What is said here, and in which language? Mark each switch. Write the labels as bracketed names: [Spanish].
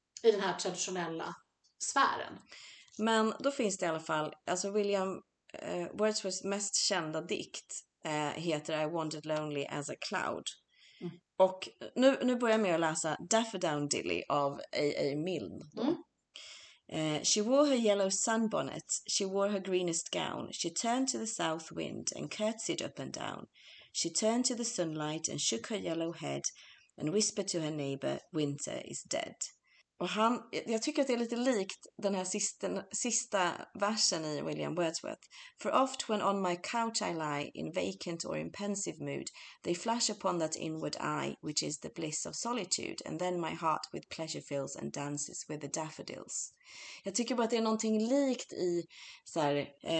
[Swedish] i den här traditionella sfären. Men då finns det i alla fall alltså William Wordsworths mest kända dikt heter I Wandered Lonely as a Cloud. Mm. Och nu börjar jag med att läsa Daffodowndilly av A.A. Milne. Mm. [English] She wore her yellow sunbonnet, she wore her greenest gown, she turned to the south wind and curtsied up and down. She turned to the sunlight and shook her yellow head and whispered to her neighbor, winter is dead. [Swedish] Och han, jag tycker att det är lite likt den här sista versen i William Wordsworth. [English] For oft when on my couch I lie in vacant or in pensive mood, they flash upon that inward eye which is the bliss of solitude, and then my heart with pleasure fills and dances with the daffodils. [Swedish] Jag tycker bara att det är någonting likt i så här,